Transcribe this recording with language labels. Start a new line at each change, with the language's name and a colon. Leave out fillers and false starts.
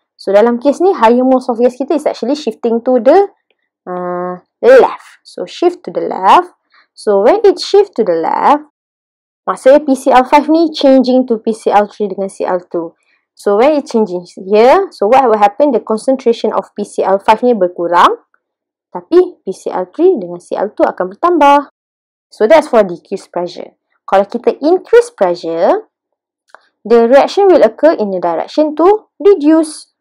English: So,
Malay: dalam kes ni,
English: higher moles of gas kita is actually shifting to the left. So, shift to the left. So, when it shift to the left,
Malay: maksudnya
English: PCl5 ni changing to PCl3 dengan Cl2. So, when it changing here, so what will happen? The concentration of PCl5
Malay: ni berkurang. Tapi, PCl3 dengan Cl2 akan bertambah.
English: So, that's for decrease pressure. Kalau kita increase pressure, the reaction will occur in the direction to reduce.